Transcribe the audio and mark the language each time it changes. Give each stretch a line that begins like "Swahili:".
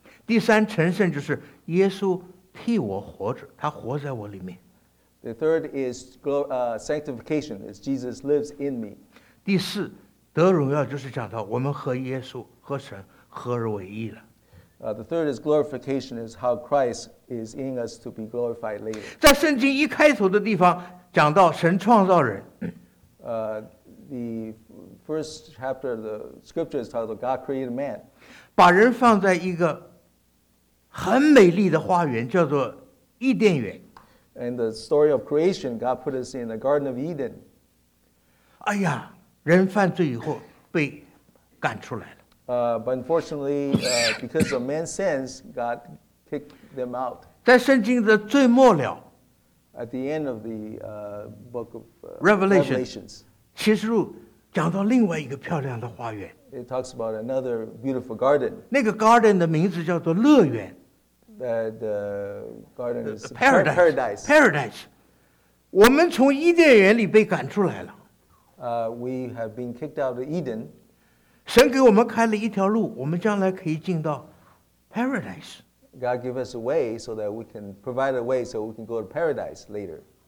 Chinese: 第三，成圣就是耶稣替我活着，他活在我里面。
English: The third is sanctification is Jesus lives in me.
Chinese: 第四，得荣耀就是讲到我们和耶稣和神合而为一了。
English: The third is glorification is how Christ is in us to be glorified later.
Chinese: 在圣经一开头的地方讲到神创造人。
English: The first chapter of the scripture is titled God created man.
Chinese: 把人放在一个很美丽的花园叫做伊甸园。
English: And the story of creation, God put us in the Garden of Eden.
Chinese: 哎呀，人犯罪以后被赶出来了。
English: But unfortunately, because of man's sins, God kicked them out.
Chinese: 在圣经的最末了。
English: At the end of the book of Revelations.
Chinese: 启示录讲到另外一个漂亮的花园。
English: It talks about another beautiful garden.
Chinese: 那个 garden 的名字叫做乐园。
English: The garden is paradise. Paradise.
Chinese: 我们从伊甸园里被赶出来了。
English: We have been kicked out of Eden.
Chinese: 神给我们开了一条路，我们将来可以进到 paradise.
English: God gave us a way so that we can provide a way so we can go to paradise later.